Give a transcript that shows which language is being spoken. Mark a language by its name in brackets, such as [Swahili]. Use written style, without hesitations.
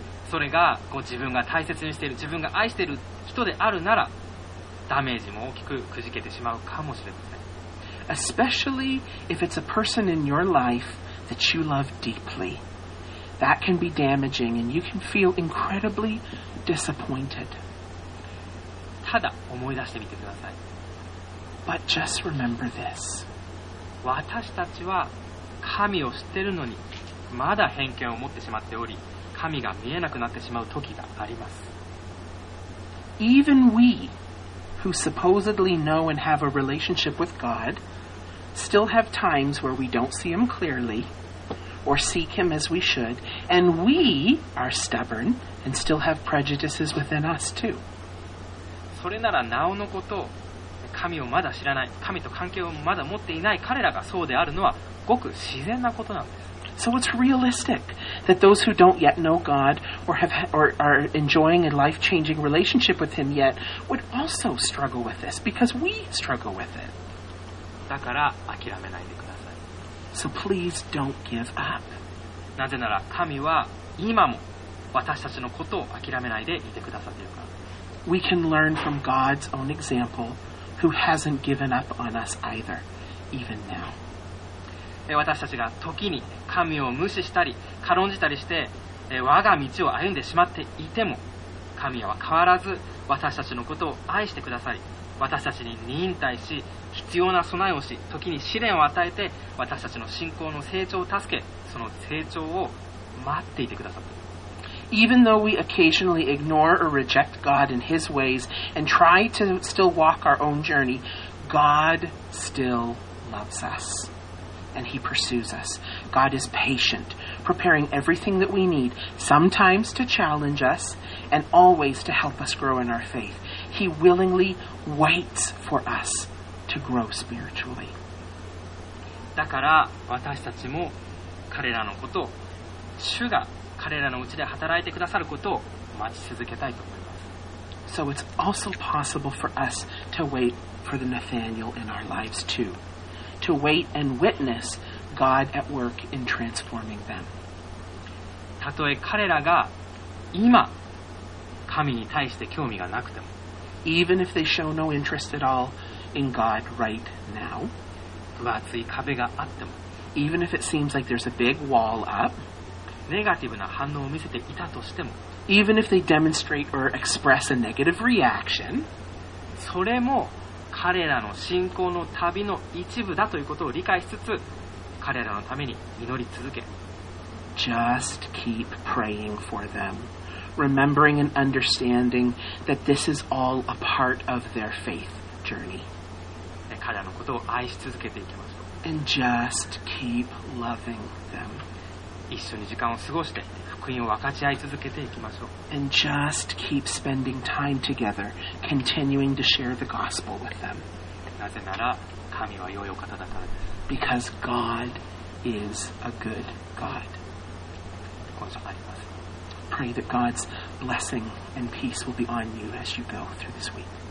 [Japanese] それがこう自分が大切にしている、自分が愛している人であるなら、ダメージも大きくくじけてしまうかもしれません。 [English] Especially if it's a person in your life that you love deeply. That can be damaging, and you can feel incredibly disappointed. [Japanese] ただ思い出してみてください。 [English] But just remember this. [Japanese] 私たちは神を知ってるのに、まだ偏見を持ってしまっており、神が見えなくなってしまう時があります。 [English] Even we, who supposedly know and have a relationship with God, still have times where we don't see Him clearly,or seek him as we should, and we are stubborn and still have prejudices within us too. [Japanese] それならなおのこと、神をまだ知らない、神と関係をまだ持っていない彼らがそうであるのはごく自然なことなんです。 [English] So it's realistic that those who don't yet know God or are enjoying a life-changing relationship with him yet would also struggle with this because we struggle with it. [Japanese] だから諦めないでください。 [English] So please don't give up. [Japanese] なぜなら神は今も私たちのことを諦めないでいてくださっているから。 [English] We can learn from God's own example, who hasn't given up on us either, even now. [Japanese] 私たちが時に神を無視したり、軽んじたりして、我が道を歩んでしまっていても、神は変わらず私たちのことを愛してくださり、私たちに忍耐し、必要な備えをし、時に試練を与えて、私たちの信仰の成長を助け、その成長を待っていてくださっている。 [English] Even though we occasionally ignore or reject God in His ways and try to still walk our own journey, God still loves us and He pursues us. God is patient, preparing everything that we need, sometimes to challenge us and always to help us grow in our faith. He willingly waits for us to grow spiritually. [Japanese] だから私たちも彼らのことを、主が彼らのうちで働いてくださることを待ち続けたいと思います。 [English] So it's also possible for us to wait for the Nathanael in our lives too. To wait and witness God at work in transforming them. [Japanese] たとえ彼らが今神に対して興味がなくても [English] Even if they show no interest at all in God right now [Japanese] 分厚い壁があっても [English] Even if it seems like there's a big wall up [Japanese] ネガティブな反応を見せていたとしても [English] Even if they demonstrate or express a negative reaction [Japanese] それも彼らの信仰の旅の一部だということを理解しつつ彼らのために祈り続け [English] Just keep praying for them Remembering and understanding that this is all a part of their faith journey [Japanese] 彼らのことを愛し続けていきましょう [English] And just keep loving them [Japanese] 一緒に時間を過ごして福音を分かち合い続けていきましょう [English] And just keep spending time together Continuing to share the gospel with them [Japanese] なぜなら神は良いお方だからです [English] Because God is a good God Pray that God's blessing and peace will be on you as you go through this week.